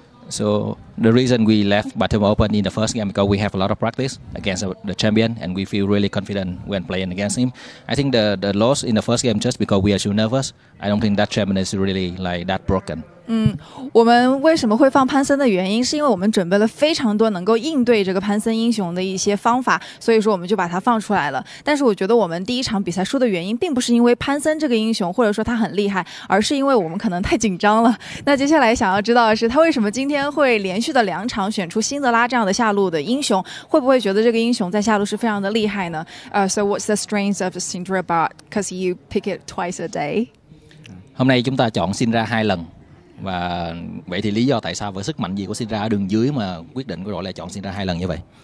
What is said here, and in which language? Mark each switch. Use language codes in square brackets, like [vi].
[en] So the reason we left Battle Open in the first game because we have a lot of practice against the champion and we feel really confident when playing against him. I think the loss in the first game just because we are too nervous. I don't think that champion is really like that broken. [zh] 我们为什么会放潘森的原因是因为我们准备了非常多能够应对这个潘森英雄的一些方法，所以说我们就把它放出来了。但是我觉得我们第一场比赛输的原因并不是因为潘森这个英雄或者说他很厉害，而是因为我们可能太紧张了。那接下来想要知道的是，他为什么今天会连续的两场选出辛德拉这样的下路的英雄，会不会觉得这个英雄在下路是非常的厉害呢？ [en] So what's the strength of Syndra bot? Because you pick it twice a day. [vi] Hôm nay chúng ta chọn Syndra 2 lần. Và vậy thì lý do tại sao với sức mạnh gì của Syndra ở đường dưới mà quyết định của đội lại chọn Syndra 2 lần như vậy?